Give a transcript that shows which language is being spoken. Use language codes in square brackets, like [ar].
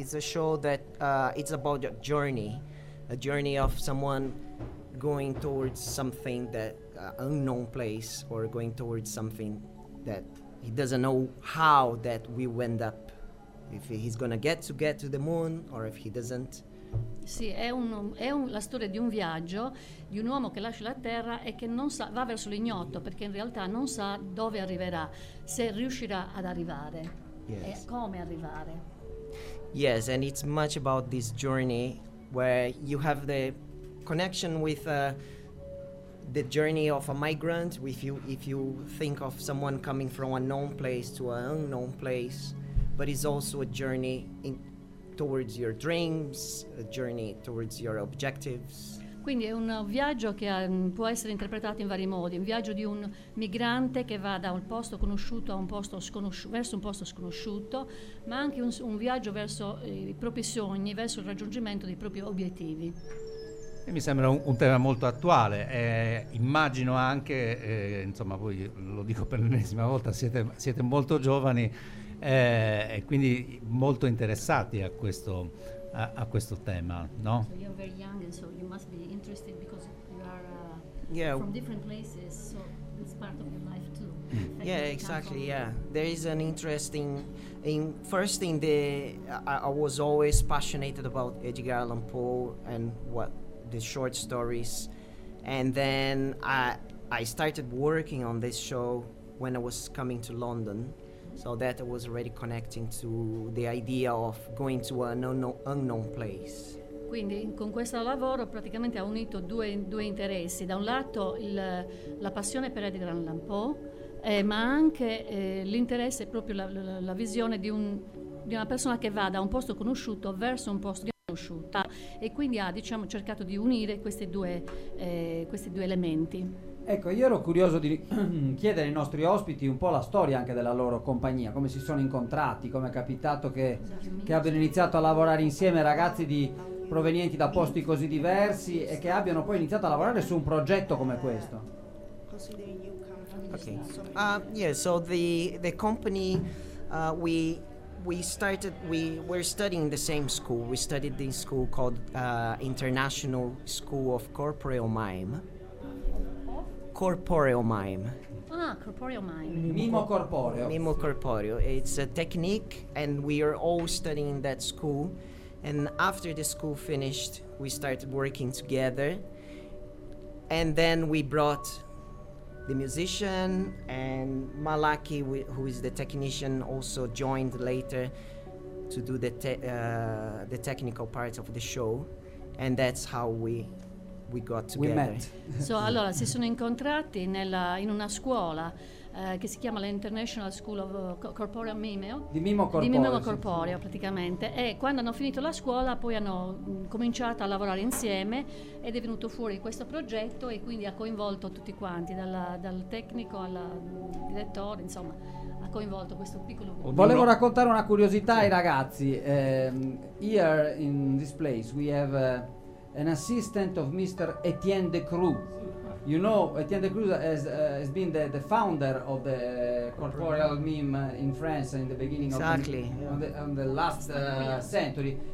[en] It's a show that it's about a journey of someone going towards something that unknown place, or going towards something that he doesn't know how that we end up. If he's gonna get to the moon or if he doesn't. [it] Sì, è la storia di un viaggio di un uomo che lascia la Terra e che non sa, va verso l'ignoto, perché in realtà non sa dove arriverà, se riuscirà ad arrivare. [en] Yes. [it] E come arrivare. [en] Yes, and it's much about this journey where you have the connection with the journey of a migrant, if you think of someone coming from a known place to an unknown place, but it's also a journey in towards your dreams, a journey towards your objectives. [it] Quindi è un viaggio che può essere interpretato in vari modi, un viaggio di un migrante che va da un posto conosciuto a un posto sconosciuto, verso un posto sconosciuto, ma anche un viaggio verso i propri sogni, verso il raggiungimento dei propri obiettivi. E mi sembra un tema molto attuale. Immagino anche, insomma, voi lo dico per l'ennesima volta, siete molto giovani. E quindi molto interessati a questo tema, no? [en] So you're very young, and so you must be interested because you are from different places, so it's part of your life too. Yeah, exactly. Yeah, there is an interesting in first thing. The I was always passionate about Edgar Allan Poe and what the short stories, and then I started working on this show when I was coming to London. So that was already connecting to the idea of going to an unknown place. [it] Quindi con questo lavoro praticamente ha unito due interessi. Da un lato la passione per Edgar Allan Poe, ma anche l'interesse, proprio la visione di una persona che va da un posto conosciuto verso un posto sconosciuto. E quindi ha, diciamo, cercato di unire questi due elementi. Ecco, io ero curioso di chiedere ai nostri ospiti un po' la storia anche della loro compagnia, come si sono incontrati, come è capitato che abbiano iniziato a lavorare insieme ragazzi provenienti da posti così diversi e che abbiano poi iniziato a lavorare su un progetto come questo. [en] Okay. So the company we were studying in the same school. We studied in school called International School of Corporeal Mime. Corporeal mime. Ah, corporeal mime. [it] Mimo corporeo. Mimo corporeo. [en] It's a technique, and we are all studying that school. And after the school finished, we started working together. And then we brought the musician, and Malaki, who is the technician, also joined later to do the technical part of the show. And that's how we got together. We met. [it] So allora si sono incontrati in una scuola che si chiama l'International School of Corporeal Mimeo. Di Mimo Corporeo, sì. Praticamente. E quando hanno finito la scuola poi hanno cominciato a lavorare insieme ed è venuto fuori questo progetto e quindi ha coinvolto tutti quanti, dal tecnico al direttore, insomma, ha coinvolto questo piccolo gruppo. Volevo raccontare una curiosità ai ragazzi. [en] Here in this place we have an assistant of Mr. Etienne Decroux. You know, Etienne Decroux has been the founder of the corporeal meme in France in the beginning of the last century.